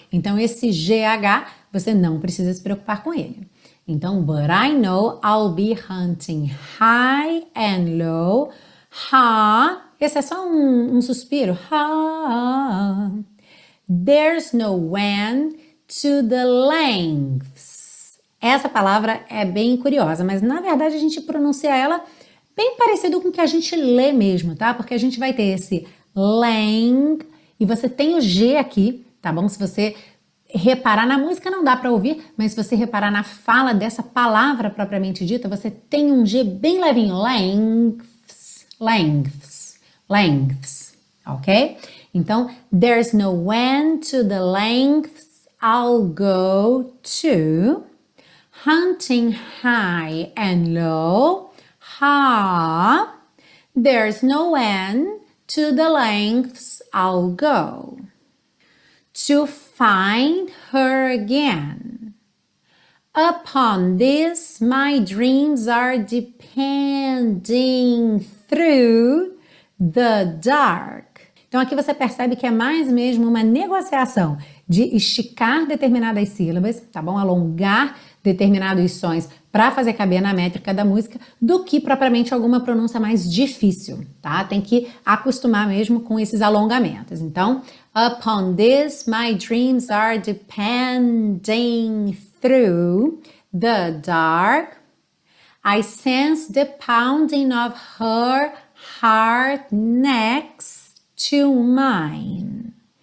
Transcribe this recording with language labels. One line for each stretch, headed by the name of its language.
Portuguese: Então esse GH você não precisa se preocupar com ele.
English: Então, but I know I'll be hunting high and low.
Portuguese: Ha, esse é só um suspiro. Ha,
English: there's no end to the lengths.
Portuguese: Essa palavra é bem curiosa, mas na verdade a gente pronuncia ela bem parecido com o que a gente lê mesmo, tá? Porque a gente vai ter esse leng e você tem o G aqui, tá bom? Se você reparar na música não dá para ouvir, mas se você reparar na fala dessa palavra propriamente dita, você tem um G bem levinho, lengths, lengths, lengths, ok?
English: Então, there's no end to the lengths I'll go to, hunting high and low, ha, there's no end to the lengths I'll go to find her again. Upon this, my dreams are depending through the dark.
Portuguese: Então aqui você percebe que é mais mesmo uma negociação de esticar determinadas sílabas, tá bom? Alongar determinados sons para fazer caber na métrica da música, do que propriamente alguma pronúncia mais difícil, tá? Tem que acostumar mesmo com esses alongamentos.
English: Então, upon this, my dreams are depending through the dark. I sense the pounding of her heart next to mine.